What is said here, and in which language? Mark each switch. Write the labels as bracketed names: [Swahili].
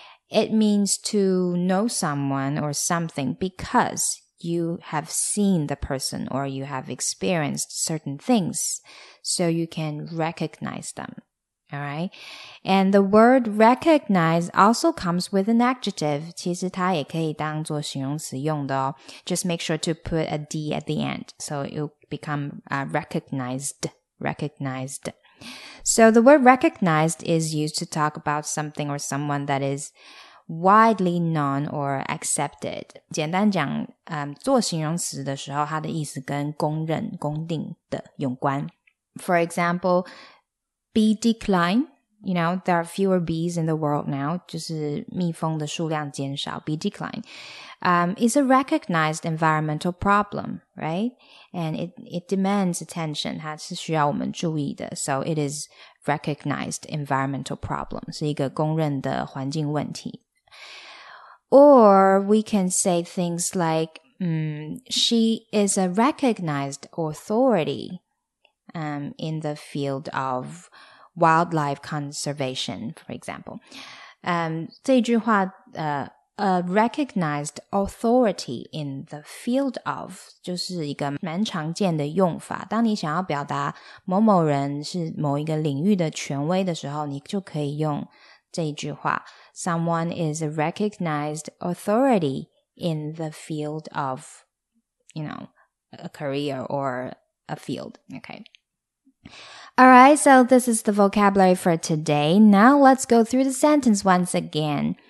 [English] It means to know someone or something becauseyou have seen the person or you have experienced certain things, so you can recognize them, all right? And the word recognize also comes with an adjective. [Chinese] 其实它也可以当作形容词用的哦。 [English] Just make sure to put a D at the end, so it'll become recognized. So the word recognized is used to talk about something or someone that is... widely known or accepted. [Chinese] 简单讲、做形容词的时候它的意思跟公认公定的有关。 [English] For example, bee decline, you know, there are fewer bees in the world now, [Chinese] 就是蜜蜂的数量减少 [English] bee decline, is a recognized environmental problem, right? And it demands attention, [Chinese] 它是需要我们注意的 [English] so it is recognized environmental problem, [Chinese] 是一个公认的环境问题。 [English] Or we can say things like, she is a recognized authority, in the field of wildlife conservation, for example. [Chinese] 这句话 [English] a recognized authority in the field of, [Chinese] 就是一个蛮常见的用法。当你想要表达某某人是某一个领域的权威的时候，你就可以用这一句话。 [English] Someone is a recognized authority in the field of, you know, a career or a field. Okay. All right, so this is the vocabulary for today. Now let's go through the sentence once again.